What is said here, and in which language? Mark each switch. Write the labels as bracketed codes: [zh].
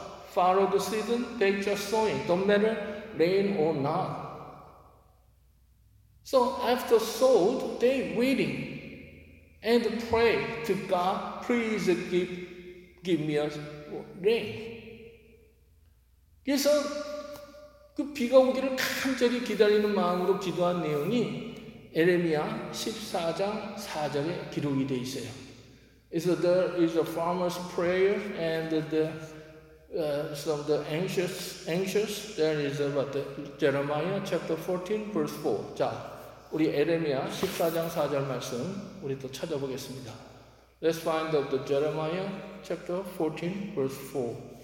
[en] Follow the season, they just sowing, don't matter, rain or not. So after sowed, they waiting and pray to God, please give me a rain. [ko] 그래서 그 비가 오기를 간절히 기다리는 마음으로 기도한 내용이 에레미야 14장 4절에 기록이 되어 있어요. [en] So there is a farmer's prayer and the some of the anxious. There is about the Jeremiah chapter 14 verse 4. [ko] 자, 우리 에레미야 14장 4절 말씀 우리 또 찾아보겠습니다. [en] Let's find out the Jeremiah chapter 14, verse 4.